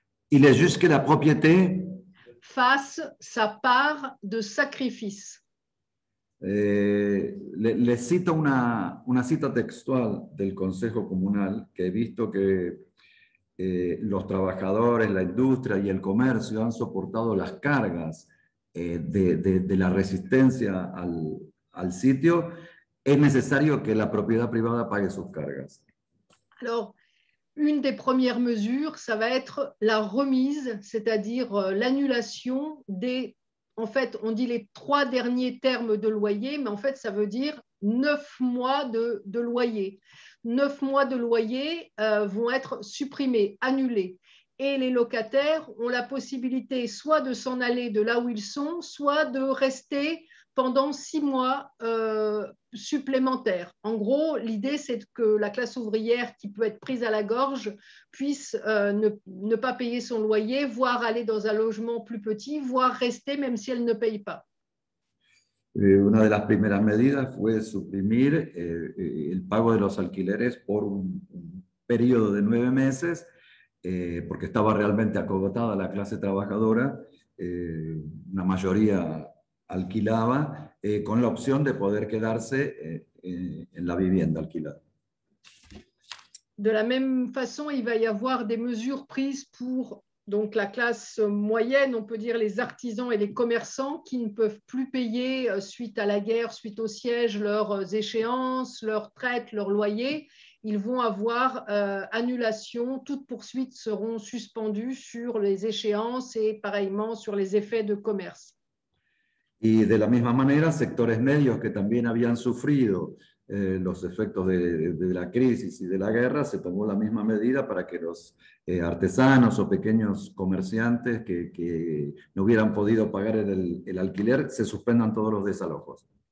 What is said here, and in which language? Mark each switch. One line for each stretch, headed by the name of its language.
French: Il est juste que la propriété fasse sa part de sacrifice.
Spanish: Le cito una cita textual del Consejo Comunal que he visto que los trabajadores, la industria y el comercio han soportado las cargas de la resistencia al sitio, es necesario que la propiedad privada pague sus cargas.
French: Alors, une des premières mesures, ça va être la remise, c'est-à-dire l'annulation des... En fait, on dit les trois derniers termes de loyer, mais en fait, ça veut dire 9 mois de loyer. 9 mois de loyer vont être supprimés, annulés. Et les locataires ont la possibilité soit de s'en aller de là où ils sont, soit de rester pendant 6 mois supplémentaires. En gros, l'idée, c'est que la classe ouvrière qui peut être prise à la gorge puisse ne pas payer son loyer, voire aller dans un logement plus petit, voire rester même si elle ne paye pas.
Spanish: Una de las primeras medidas fue suprimir el pago de los alquileres por un periodo de 9 meses, porque estaba realmente acogotada la clase trabajadora, una mayoría alquilaba con la opción de poder quedarse en la vivienda alquilada.
French: De la même façon, il va y avoir des mesures prises pour donc la classe moyenne, on peut dire les artisans et les commerçants qui ne peuvent plus payer suite à la guerre, suite au siège, leurs échéances, leurs traites, leurs loyers. Ils vont avoir annulation, toutes poursuites seront suspendues sur les échéances et pareillement sur les effets de commerce.
Spanish: Y de la misma manera, sectores medios que también habían sufrido los efectos de la crisis y de la guerra, se tomó la misma medida para que los artesanos o pequeños comerciantes que no hubieran podido pagar el alquiler, se suspendan todos los desalojos.